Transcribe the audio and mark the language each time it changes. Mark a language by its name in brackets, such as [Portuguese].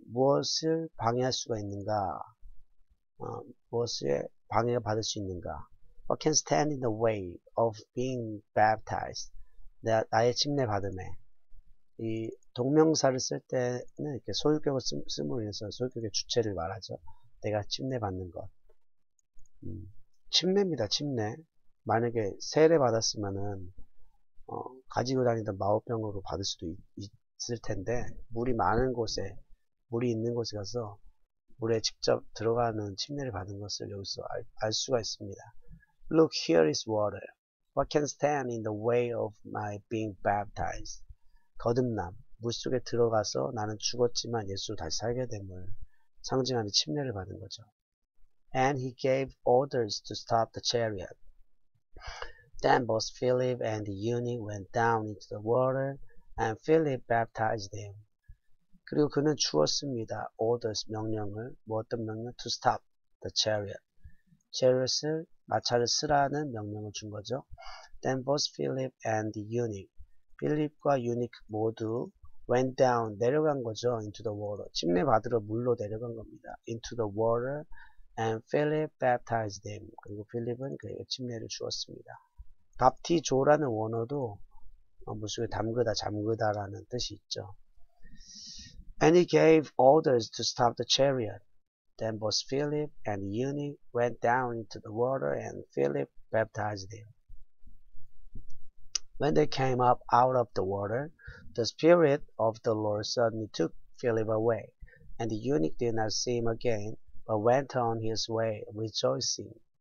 [Korean] 무엇을 방해할 수가 있는가? 무엇에 방해가 받을 수 있는가? [English] What can stand in the way of being baptized? [Korean] 나의 침례 받음에. 이 동명사를 쓸 때는 이렇게 소유격을 씀으로 인해서 소유격의 주체를 말하죠. 내가 침례받는 것. 침례입니다, 침례. 만약에 세례 받았으면은, 가지고 다니던 마오병으로 받을 수도 있을 텐데, 물이 많은 곳에, 물이 있는 곳에 가서 물에 직접 들어가는 침례를 받은 것을 여기서 알 수가 있습니다. [English] Look, here is water. What can stand in the way of my being baptized? [Korean] 거듭남. 물속에 들어가서 나는 죽었지만 예수로 다시 살게 됨을 상징하는 침례를 받은 거죠. [English] And he gave orders to stop the chariot. Then both Philip and the eunuch went down into the water and Philip baptized him. [Korean] 그리고 그는 주었습니다. [English] Orders, [Korean] 명령을. 뭐 어떤 명령? [English] To stop the chariot. [Korean] Chariot을, 마차를 쓰라는 명령을 준 거죠. [English] Then both Philip and the eunuch. [Korean] 필립과 유닉 모두 [English] went down, [Korean] 내려간 거죠. [English] into the water. [Korean] 침례 받으러 물로 내려간 겁니다. [English] into the water and Philip baptized them. [Korean] 그리고 필립은 그에게 침례를 주었습니다. 밥티조라는 원어도 물속에 담그다, 잠그다라는 뜻이 있죠. [English] And he gave orders to stop the chariot. Then both Philip and the eunuch went down into the water and Philip baptized them. When they came up out of the water, the spirit of the Lord suddenly took Philip away, and the eunuch did not see him again, but went on his way rejoicing.